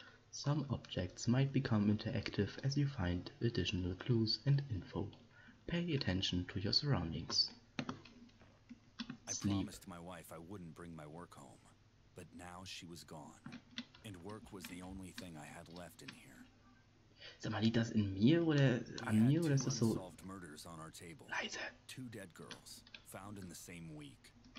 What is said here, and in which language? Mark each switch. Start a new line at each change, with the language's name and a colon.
English: Some objects might become interactive as you find additional clues and info. Pay attention to your surroundings. I promised my wife I wouldn't bring my work home, but now she was gone. And work was the only thing I had left in here.
German: Sag mal, liegt das in mir oder an mir oder ist das so? Leise.
English: Two dead girls found in the same week.